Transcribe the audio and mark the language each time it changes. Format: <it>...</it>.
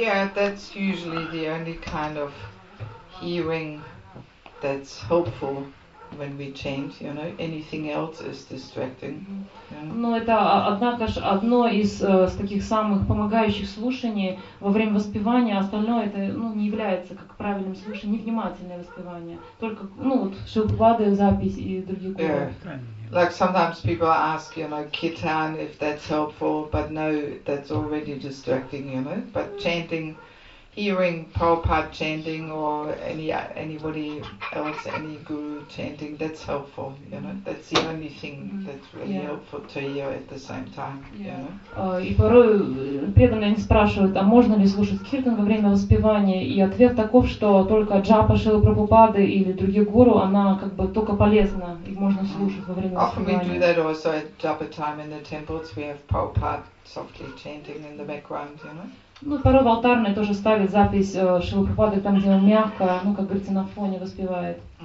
<en>Yeah, that's usually the only kind of hearing that's helpful when we chant, you know. Anything else is distracting.</en> <ru>Но это, однако же, одно из таких самых помогающих слушаний во время воспевания. Остальное это, ну, не является как правильным слушанием, невнимательное воспевание. Только, ну, вот шилпады, запись и другие куры.</ru> <en>Yeah. Like sometimes people ask, you know, kirtan, if that's helpful, but no, that's already distracting, you know. But chanting, hearing Prabhupada chanting or anybody else, any guru chanting, that's helpful, you know. That's the only thing that's really helpful to hear at the same time,</en> <ru>И порой преданные спрашивают, а можно ли слушать киртан во время воспевания? И ответ таков, что только джапа Шрилы Прабхупады или другие гуру, она как бы только полезна, и можно слушать во время воспевания.</ru> <en>Often we do that also at japa time in the temples, we have Prabhupada softly chanting in the background, you know.</en> <ru>Ну, порой в алтарной тоже ставят запись Шрилы Прабхупады, там, где он мягко, ну, как говорится, на фоне воспевает.</ru>